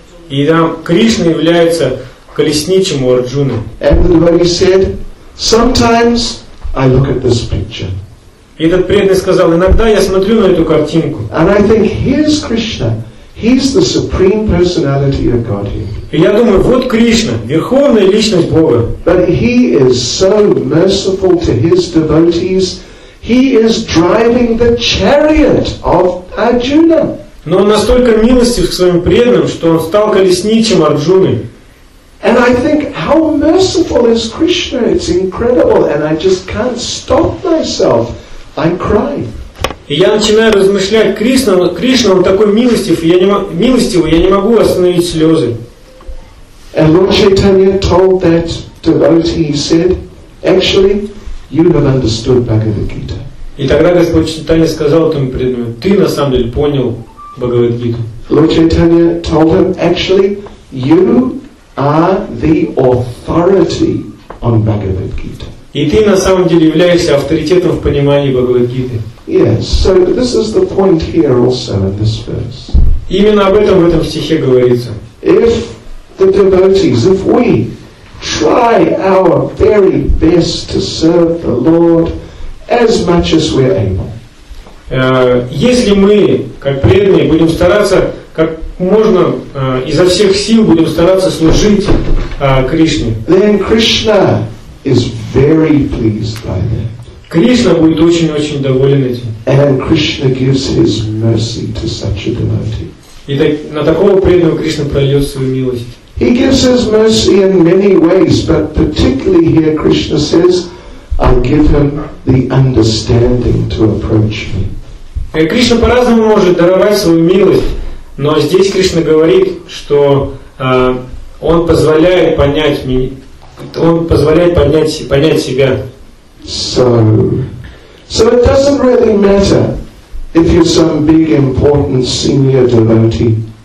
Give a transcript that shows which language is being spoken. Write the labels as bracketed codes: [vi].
[ru] И там Кришна является колесничим у Арджуны. [en] And the devotee said, sometimes I look at this picture. [ru] И этот преданный сказал, иногда я смотрю на эту картинку. [en] And I think, here's Krishna. He's the supreme personality of Godhead. [ru] И я думаю, вот Кришна, верховная личность Бога. [en] But he is so merciful to his devotees. He is driving the chariot of Arjuna. [ru] Но он настолько милостив к своим преданным, что он стал колесничим Арджуны. [en] And I think, how merciful is Krishna? It's incredible, and I just can't stop myself. I cry. [ru] И я начинаю размышлять, Кришна, он такой милостивый, я не могу остановить слезы. [en] And Lord Chaitanya told that devotee, he said, actually, you have understood Bhagavad Gita. [ru] И тогда Господь Чайтанья сказал этому преданному, ты на самом деле понял Бхагавад Гиту. [en] Lord Chaitanya told him, actually, you are the authority on Bhagavad Gita. [ru] И ты на самом деле являешься авторитетом в понимании Бхагавад Гиты. [en] Yes, so this is the point here also in this verse. [ru] Именно об этом в этом стихе говорится. [en] If the devotees, if we try our very best to serve the Lord as much as we're able. [ru] Если мы, как преданные, будем стараться как можно изо всех сил будем стараться служить Кришне. [en] Then Krishna is very pleased by that. [ru] Кришна будет очень-очень доволен этим. [en] And Krishna gives his mercy to such a devotee. [ru] И так, на такого преданного Кришна прольет свою милость. [en] He gives his mercy in many ways, but particularly here Krishna says, I give him the understanding to approach me. [ru] Кришна по-разному может даровать свою милость, но здесь Кришна говорит, что он позволяет понять себя. [en] So it doesn't really matter if you're some big, important, senior devotee.